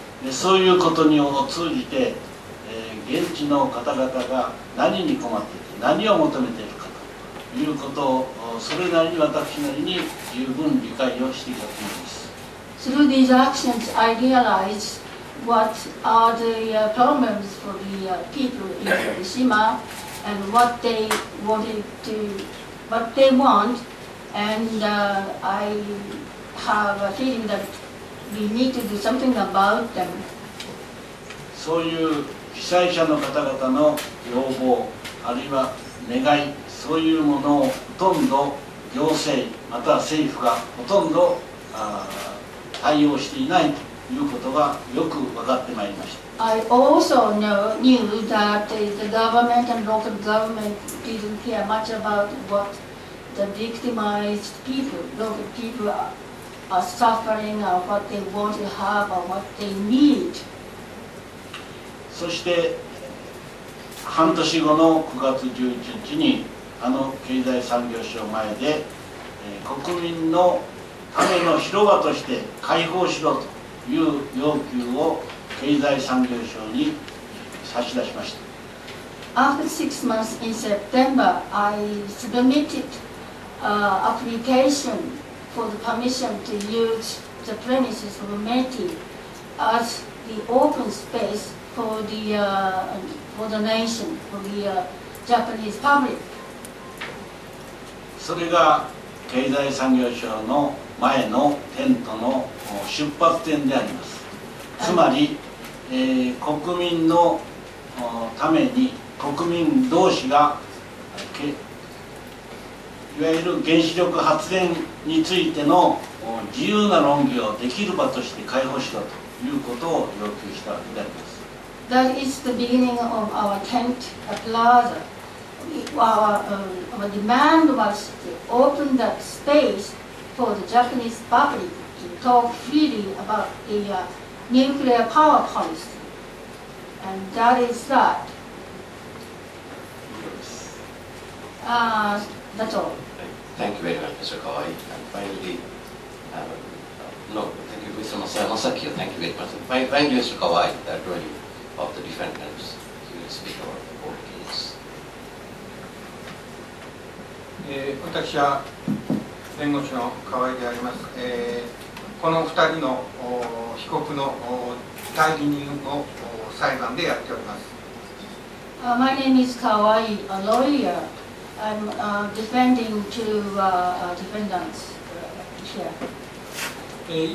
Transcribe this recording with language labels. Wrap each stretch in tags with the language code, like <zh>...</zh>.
<ja>そういうことにを通じて、現地の方々が何に困っていて何を求めているかということをそれなりに私なりに十分理解をしていたと思います。</ja> <en>Through these actions, I realized what are the problems for the people in Fukushima and what they want and I have a feeling that we need to do something about them.</en> <ja>そういう被災者の方々の要望あるいは願いそういうものをほとんど行政または政府がほとんど対応していないということがよく分かってまいりました。</ja> <en>I also knew that the government and local government didn't care much about what the victimized people, local people are suffering or what they want to have or what they need.</en> <ja>そして半年後の9月11日にあの経済産業省前で、国民のための広場として開放しろという要求を経済産業省に差し出しました。</ja> <en>After 6 months in September, I submitted application for the permission to use the premises of METI as the open space for the nation, for the Japanese public.</en> <ja>それが経済産業省の前のテントの出発点であります。つまり、国民のために国民同士がいわゆる原子力発電についての自由な論議をできる場として開放したということを要求したわけであります。</ja> <en>That is the beginning of our tent plaza. Our demand was to open the spaceFor the Japanese public to talk freely about the nuclear power policy, and that is that. Yes. That's all. Thank you very much, Mr. Kawai. And finally, thank you, Mr. Masaki. Thank you very much. Finally, Mr. Kawai, that really of the defendants, you will speak about the court case.</en> <ja>私は弁護士の河合であります。この2人の被告の代理人を裁判でやっております。</ja> <en>My name is Kawai, a lawyer. I'm defending two defendants here.</en>